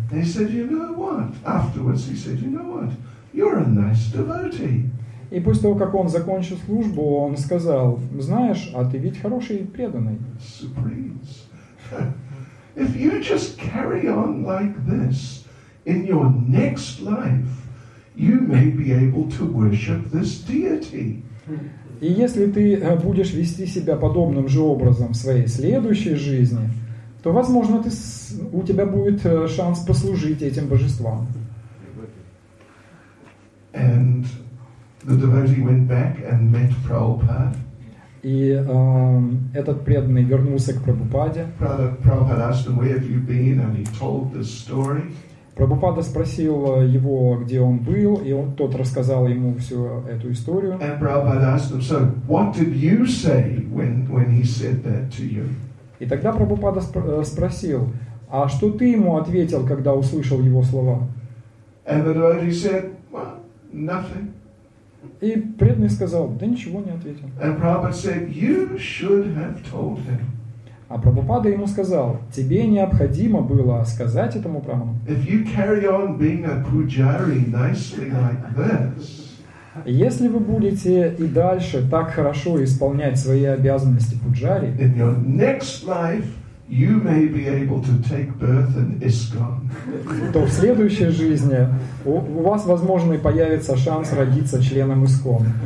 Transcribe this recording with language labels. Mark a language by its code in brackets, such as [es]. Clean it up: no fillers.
[en] He said, you know what? Afterwards he said, you know what? You're a nice devotee. [ru] И после того, как он закончил службу, он сказал, знаешь, а ты ведь хороший преданный. Supremes. [en] If you just carry on like this in your next life, you may be able to worship this deity. [ru] И если ты будешь вести себя подобным же образом в своей следующей жизни, то, возможно, у тебя будет шанс послужить этим божествам. [en] And the devotee went back and met Prabhupada. [ru] И этот преданный вернулся к Прабхупаде. [en] Prabhupada asked him, where have you been? And he told this story. [ru] Прабхупада спросил его, где он был, и он тот рассказал ему всю эту историю. [en] And Prabhupada asked him, so what did you say when he said that to you? [ru] И тогда Прабхупада спросил, а что ты ему ответил, когда услышал его слова? [en] And the devotee said, well, nothing. [ru] И преданный сказал, да ничего не ответил. [en] And Prabhupada said, you should have told him. [ru] А Прабхупада ему сказал, тебе необходимо было сказать этому брахману. [en] If you carry on being a pujari nicely like this, [ru] если вы будете и дальше так хорошо исполнять свои обязанности пуджари, [en] in your next life you may be able to take birth in ISKCON. [ru] То в следующей жизни у вас, возможно, и появится шанс родиться членом ИСКОН.